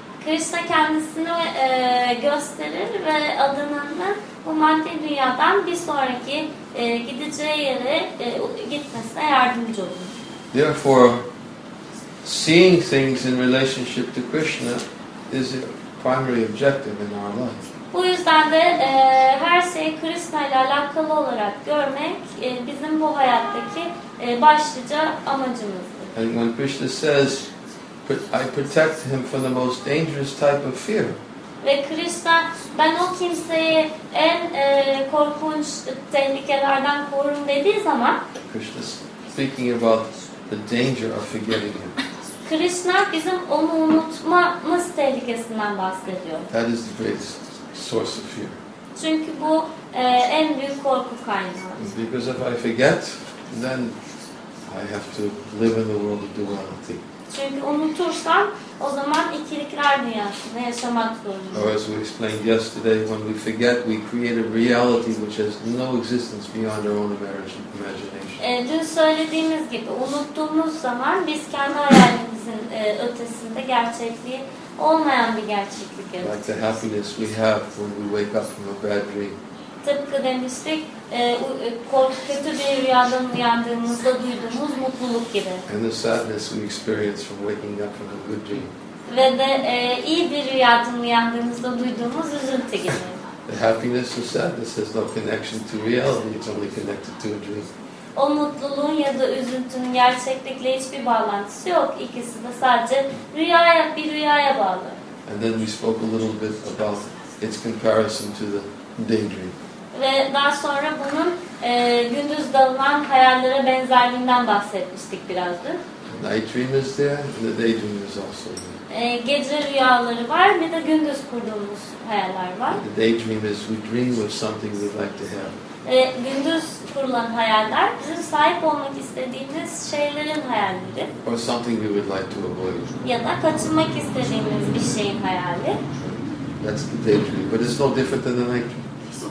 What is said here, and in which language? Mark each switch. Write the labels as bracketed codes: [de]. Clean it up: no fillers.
[tr] Krishna kendisini gösterir ve adanında bu maddi dünyadan bir sonraki gideceği yere gitmesine yardımcı olur. [en] Therefore, seeing things in relationship to Krishna is a primary objective in our life. [tr] Bu yüzden de her şeyi Krishna ile alakalı olarak görmek bizim bu hayattaki başlıca amacımızdır. [en] And when Krishna says, I protect him from the most dangerous type of fear. [tr] Ve Krishna, ben o kimseyi en korkunç tehlikelerden korurum dediği zaman, [en] Krishna speaking about the danger of forgetting him. [tr] Krishna bizim onu unutmamız tehlikesinden bahsediyor. [en] That is the greatest source of fear. [tr] Çünkü bu en büyük korku kaynağı. [en] Because if I forget, then I have to live in the world of duality. [tr] Çünkü unutursam o zaman ikilikler dünyasında yaşamak zorundayım. [en] Or as we explained yesterday, when we forget, we create a reality which has no existence beyond our own imagination. [tr] Dün söylediğimiz gibi unuttuğumuz zaman biz kendi hayalimizin ötesinde gerçekliği olmayan bir gerçeklik yaratıyoruz. [en] Like the happiness we have when we wake up from a bad dream. [tr] Tıpkı demiştik, kötü bir rüyadan uyandığımızda duyduğumuz mutluluk gibi. [en] And the sadness we experience from waking up from a good dream. [tr] Ve de iyi bir rüyadan uyandığımızda duyduğumuz üzüntü gibi. [en] The happiness or sadness has no connection to reality, it's only connected to a dream. [tr] O mutluluğun ya da üzüntünün gerçeklikle hiçbir bağlantısı yok. İkisi de sadece bir rüyaya bağlı. [en] And then we spoke a little bit about its comparison to the daydream. [tr] Ve daha sonra bunun gündüz dalınan hayallere benzerliğinden bahsetmiştik birazdır. [en] Night dream is there, and the daydream is also there. [tr] Gece rüyaları var, bir de gündüz kurduğumuz hayaller var. [en] The daydream is we dream of something we'd like to have. [tr] Gündüz kurulan hayaller, bizim sahip olmak istediğimiz şeylerin hayalleri. [en] Or something we would like to avoid. [tr] Ya da kaçınmak istediğimiz bir şeyin hayali. [en] That's the daydream, but it's no different than the night dream.